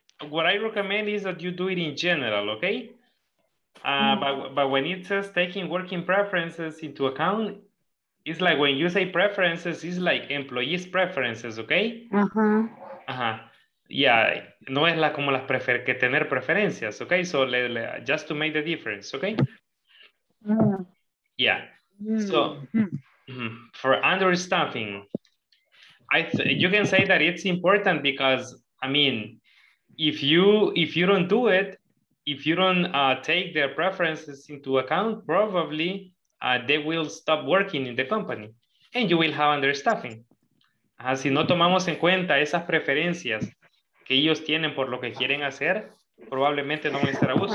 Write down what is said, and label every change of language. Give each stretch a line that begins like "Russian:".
English: What I recommend is that you do it in general, okay? But when it says taking working preferences into account, it's like when you say preferences, it's like employees' preferences, okay? Uh-huh.
Spanish: Yeah, no es la como las prefer que tener preferencias, okay?
English: So just to make the difference, okay? Yeah. So for understaffing, you can say that it's important because I mean, if you don't do it, if you don't take their preferences into account, probably. They will stop working in the company and you will have understaffing.
Spanish: Si no tomamos en cuenta esas preferencias que ellos tienen por lo que quieren hacer, probablemente no van a estar a gusto.